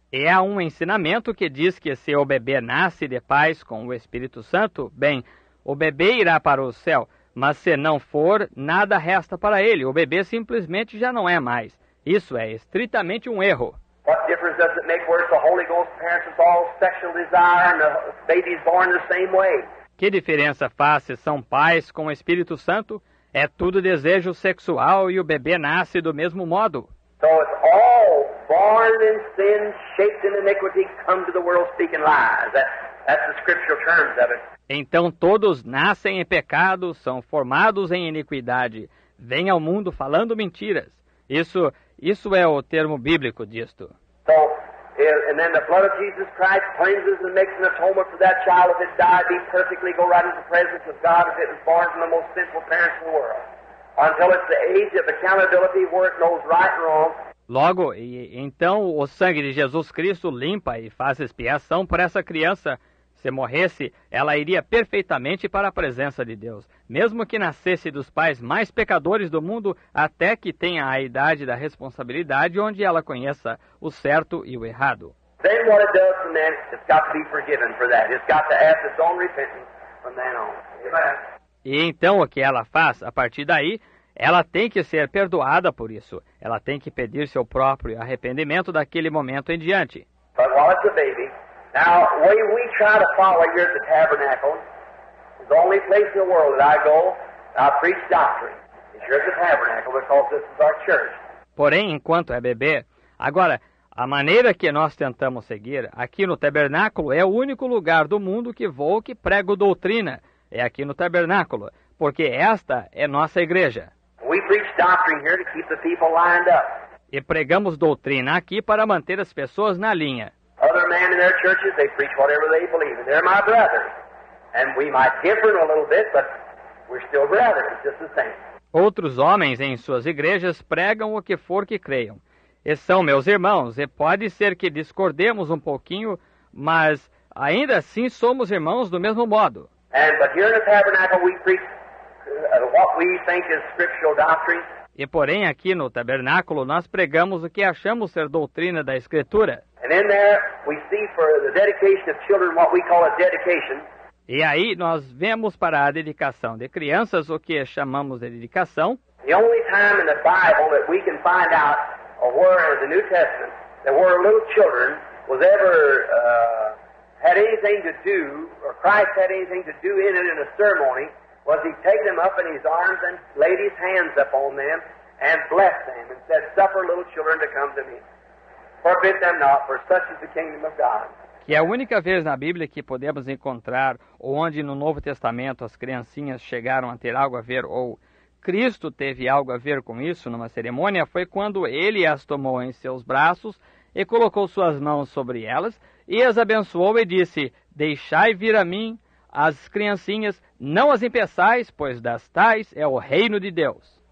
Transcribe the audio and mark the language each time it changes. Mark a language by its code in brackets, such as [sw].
[pt] E há um ensinamento que diz que se o bebê nasce de paz com o Espírito Santo, bem, o bebê irá para o céu, Mas se não for, nada resta para ele. O bebê simplesmente já não é mais. Isso é estritamente um erro. [en] What difference does it make where it's the Holy Ghost parents with all sexual desire and the baby's born the same way? [pt] Que diferença faz se são pais com o Espírito Santo? É tudo desejo sexual e o bebê nasce do mesmo modo. [en] So it's all born in sin, shaped in iniquity, come to the world speaking lies. That's the scriptural terms of it. [pt] Então todos nascem em pecado, são formados em iniquidade, vêm ao mundo falando mentiras. Isso é o termo bíblico disto. [en] So, and then the blood of Jesus Christ cleanses and makes an atonement for that child. If it died, be perfectly, go right into the presence of God if it was born from the most sinful parents in the world. Until it's the age of accountability where it knows right and wrong. [pt] Logo, então o sangue de Jesus Cristo limpa e faz expiação por essa criança. Se morresse, ela iria perfeitamente para a presença de Deus, mesmo que nascesse dos pais mais pecadores do mundo, até que tenha a idade da responsabilidade onde ela conheça o certo e o errado. [en] Then what it does to man, it's got to be forgiven for that. It's got to ask its own repentance from then on. [pt] E então o que ela faz a partir daí? Ela tem que ser perdoada por isso. Ela tem que pedir seu próprio arrependimento daquele momento em diante. [en] But while it's a baby, now, the way we try to follow here at the tabernacle is the only place in the world that I go, I preach doctrine. It's here at the tabernacle because this is our church. [pt] Porém, enquanto é bebê, agora, a maneira que nós tentamos seguir aqui no tabernáculo é o único lugar do mundo que vou que prego doutrina. É aqui no tabernáculo, porque esta é nossa igreja. [en] We preach doctrine here to keep the people lined up. [pt] E pregamos doutrina aqui para manter as pessoas na linha. [en] Other men in their churches, they preach whatever they believe. And they're my brothers. And we might differ a little bit, but we're still brothers. It's just the same. [pt] Outros homens em suas igrejas pregam o que for que creiam. E são meus irmãos. E pode ser que discordemos um pouquinho, mas ainda assim somos irmãos do mesmo modo. [en] And, but here in the tabernacle, we preach what we think is scriptural doctrine. [pt] E porém, aqui no tabernáculo, nós pregamos o que achamos ser doutrina da Escritura. [en] And in there, we see for the dedication of children what we call a dedication. [pt] E aí, nós vemos para a dedicação de crianças o que chamamos de dedicação. [en] The only time in the Bible that we can find out, or where in the New Testament, that where little children was ever had anything to do, or Christ had anything to do in it in a ceremony, was he take them up in his arms and laid his hands upon them and blessed them and said, suffer little children to come to me. Forbid them not, for such is the kingdom of God. [pt] Que é a única vez na Bíblia que podemos encontrar onde no Novo Testamento as criancinhas chegaram a ter algo a ver ou Cristo teve algo a ver com isso numa cerimônia foi quando ele as tomou em seus braços e colocou suas mãos sobre elas e as abençoou e disse, deixai vir a mim as criancinhas, não as impeçais, pois das tais é o reino de Deus.